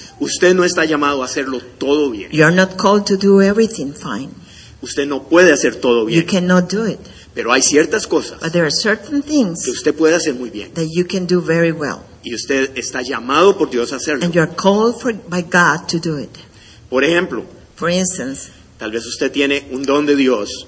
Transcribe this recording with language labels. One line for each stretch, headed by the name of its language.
Spanish: Usted no está llamado a hacerlo todo bien.
English: You are not called to do everything fine.
Spanish: Usted no puede hacer todo bien.
English: You cannot do it.
Spanish: Pero hay ciertas cosas.
English: But there are certain things
Spanish: que usted puede hacer muy bien.
English: That you can do very well.
Spanish: Y usted está llamado por Dios a hacerlo.
English: And you are called by God to do it.
Spanish: Por ejemplo.
English: For instance.
Spanish: Tal vez usted tiene un don de Dios.